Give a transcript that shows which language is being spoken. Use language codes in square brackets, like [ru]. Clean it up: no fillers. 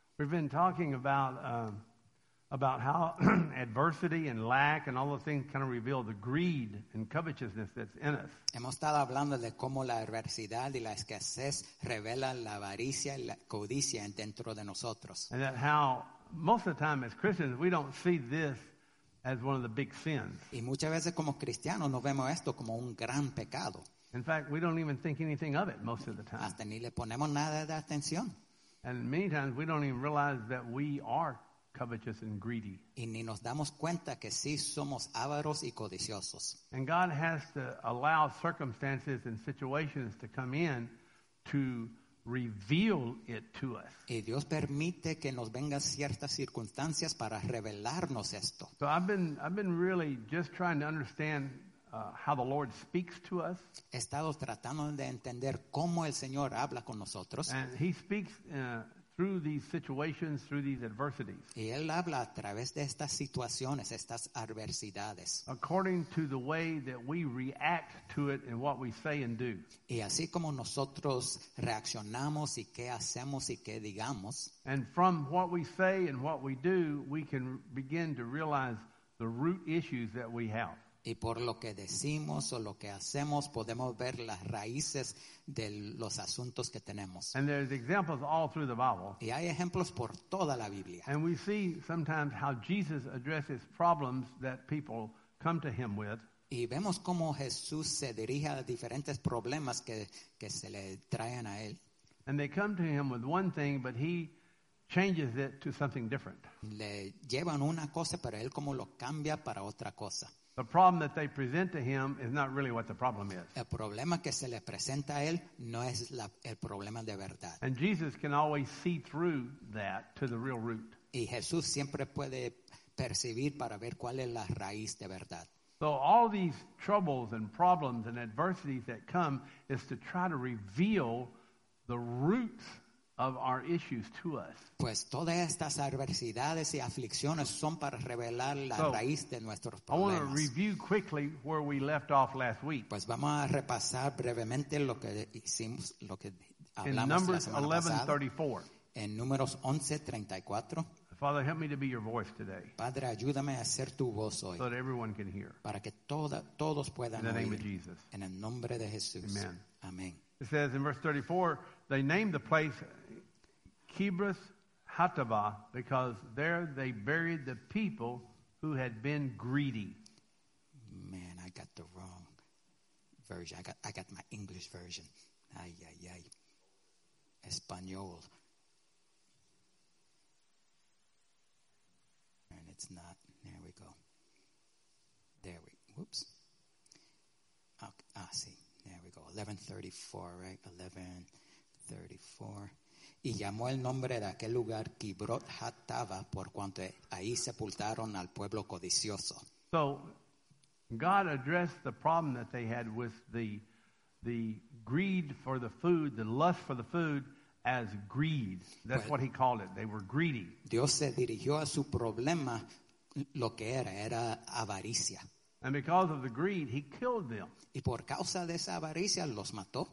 [en] been talking about how adversity and lack and all those things kind of reveal the greed and covetousness that's in us. [es] Hemos estado hablando de cómo la adversidad y la escasez revelan la avaricia y la codicia dentro de nosotros. [en] And that how most of the time as Christians we don't see this as one of the big sins. [es] Y muchas veces como cristianos no vemos esto como un gran pecado. [en] In fact, we don't even think anything of it most of the time. [es] Hasta ni le ponemos nada de atención. [en] And many times we don't even realize that we are covetous and greedy. [es] Y ni nos damos cuenta que sí somos avaros y codiciosos. [en] And God has to allow circumstances and situations to come in to reveal it to us. [es] Y Dios permite que nos vengan ciertas circunstancias para revelarnos esto. [en] So I've been really just trying to understand how the Lord speaks to us. [es] He estado tratando de entender cómo el Señor habla con nosotros. [en] And he speaks through these situations, through these adversities. [es] Y él habla a través de estas situaciones, estas adversidades. [en] According to the way that we react to it and what we say and do. [es] Y así como nosotros reaccionamos y qué hacemos y qué digamos. [en] And from what we say and what we do, we can begin to realize the root issues that we have. [es] Y por lo que decimos o lo que hacemos, podemos ver las raíces de los asuntos que tenemos. [en] And there's examples all through the Bible. [es] Y hay ejemplos por toda la Biblia. [en] And we see sometimes how Jesus addresses problems that people come to him with. [es] Y vemos cómo Jesús se dirige a diferentes problemas que se le traen a él. [en] And they come to him with one thing, but he changes it to something different. [es] Le llevan una cosa, pero él como lo cambia para otra cosa. [en] The problem that they present to him is not really what the problem is. [es] El problema que se le presenta a él no es el problema de verdad. [en] And Jesus can always see through that to the real root. [es] Y Jesús siempre puede percibir para ver cuál es la raíz de verdad. [en] So all these troubles and problems and adversities that come is to try to reveal the roots of our issues to us. [es] Pues todas estas adversidades y aflicciones son para revelar la raíz de nuestros problemas. [en] I want to review quickly where we left off last week. [es] Pues vamos a repasar brevemente lo que hicimos, lo que hablamos la semana pasada. [en] In Numbers 11:34. [es] En Números 11:34. [en] Father, help me to be your voice today. [es] Padre, ayúdame a ser tu voz hoy. [en] So that everyone can hear. [es] Para que todos puedan oír. [en] In the name of Jesus. [es] En el nombre de Jesús. [en] Amen. [es] Amén. [en] It says in verse 34, they named the place Kibroth Hattaavah because there they buried the people who had been greedy. Man, I got the wrong version. I got my English version. [es] Ay, ay, ay. Español. [en] And it's not. There we go. There we go. Whoops. Okay, see. There we go. 11:34, right? [es] 11:34. Y llamó el nombre de aquel lugar Kibroth Hattaavah por cuanto ahí sepultaron al pueblo codicioso. [en] So God addressed the problem that they had with the greed for the food, the lust for the food, as greed. That's what he called it. They were greedy. [es] Dios se dirigió a su problema, lo que era avaricia. [en] And because of the greed, he killed them. [es] Y por causa de esa avaricia, los mató.